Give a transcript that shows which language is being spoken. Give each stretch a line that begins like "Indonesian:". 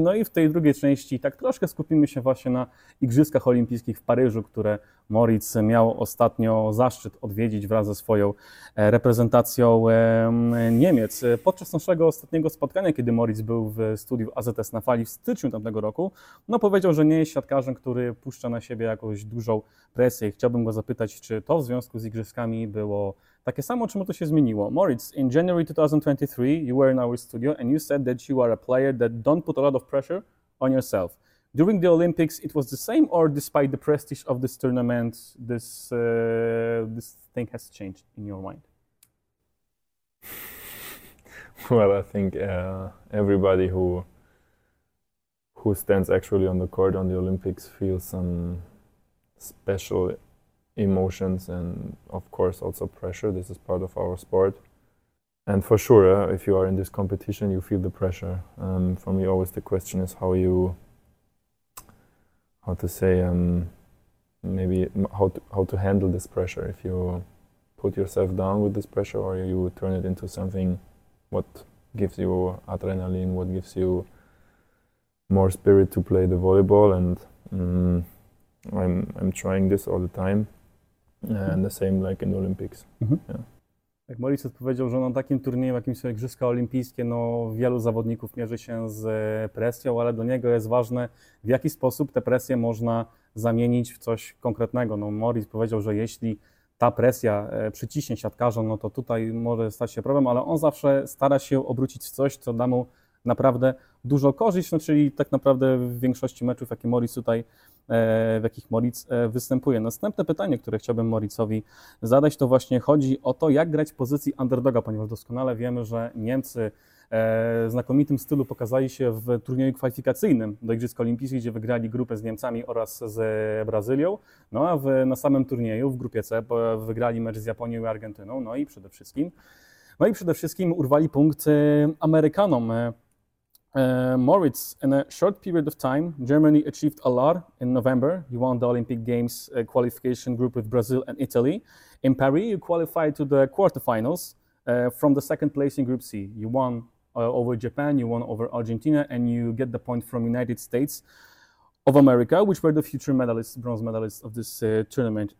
Polish: No i w tej drugiej części tak troszkę skupimy się właśnie na Igrzyskach Olimpijskich w Paryżu, które Moritz miał ostatnio zaszczyt odwiedzić wraz ze swoją reprezentacją Niemiec. Podczas naszego ostatniego spotkania, kiedy Moritz był w studiu AZS na fali w styczniu tamtego roku, no powiedział, że nie jest siatkarzem, który puszcza na siebie jakąś dużą presję. Chciałbym go zapytać, czy to w związku z Igrzyskami było takie samo, czy mu to się zmieniło?
English: Moritz, in January 2023, you were in our studio and you said that you are a player that don't put a lot of pressure on yourself. During the Olympics, it was the same, or despite the prestige of this tournament, this thing has changed in your mind? Well, I think everybody who stands actually on the court on the Olympics feels some special emotions and of course also pressure. This is part of our sport, and for sure if you are in this competition you feel the pressure. For me always the question is how to handle this pressure, if you put yourself down with this pressure or you turn it into something what gives you adrenaline, what gives you more spirit to play the volleyball. And I'm trying this all the time. And the same like in the Olympics. Mm-hmm. Yeah.
Polish: Moritz odpowiedział, że na takim turnieju, jakim są Igrzyska Olimpijskie, no wielu zawodników mierzy się z presją, ale dla niego jest ważne, w jaki sposób tę presję można zamienić w coś konkretnego. No, Moritz powiedział, że jeśli ta presja przyciśnie siatkarza, no to tutaj może stać się problem, ale on zawsze stara się obrócić w coś, co da mu naprawdę dużo korzyść, no, czyli tak naprawdę w większości meczów, jakie Moritz tutaj, w jakich Moritz występuje. Następne pytanie, które chciałbym Moritzowi zadać, to właśnie chodzi o to, jak grać w pozycji underdoga, ponieważ doskonale wiemy, że Niemcy w znakomitym stylu pokazali się w turnieju kwalifikacyjnym do Igrzysk Olimpijskich, gdzie wygrali grupę z Niemcami oraz z Brazylią, no a na samym turnieju w grupie C wygrali mecz z Japonią i Argentyną, no i przede wszystkim urwali punkt Amerykanom.
English: Moritz, in a short period of time, Germany achieved a lot in November. You won the Olympic Games qualification group with Brazil and Italy. In Paris, you qualified to the quarterfinals from the second place in Group C. You won over Japan, you won over Argentina, and you get the point from United States of America, which were the future medalists, bronze medalists of this tournament.